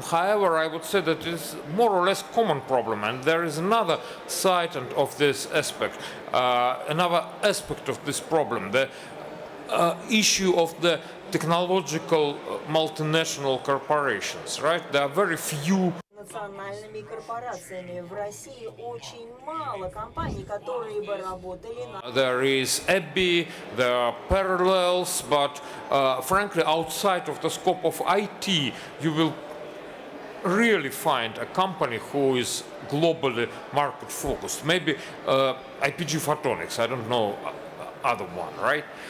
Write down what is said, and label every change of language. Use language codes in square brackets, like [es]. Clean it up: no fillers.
[en] However, I would say that it's more or less common problem, and there is another side of this aspect, another aspect of this problem, the issue of the technological multinational corporations, right? There are very few. [ru] транснациональными корпорациями. В России очень мало компаний, которые бы работали на... [en] There is EBI, there are parallels, but frankly, outside of the scope of IT, you will really find a company who is globally market focused. Maybe IPG Photonics, I don't know other one, right?